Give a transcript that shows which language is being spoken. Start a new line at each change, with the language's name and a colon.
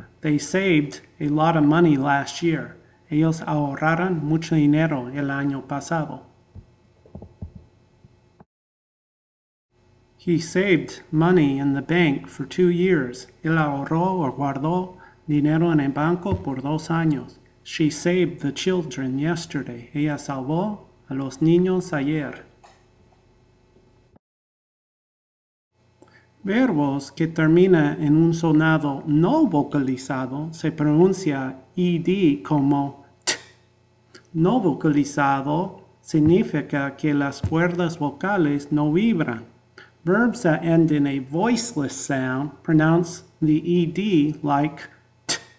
English: They saved a lot of money last year.
Spanish: Ellos ahorraron mucho dinero el año pasado.
English: He saved money in the bank for 2 years.
Spanish: Él ahorró o guardó dinero en el banco por 2 años.
English: She saved the children yesterday.
Spanish: Ella salvó a los niños ayer. Verbos que termina en un sonado no vocalizado se pronuncia ed como t. No vocalizado significa que las cuerdas vocales no vibran.
English: Verbs that end in a voiceless sound pronounce the ed like t.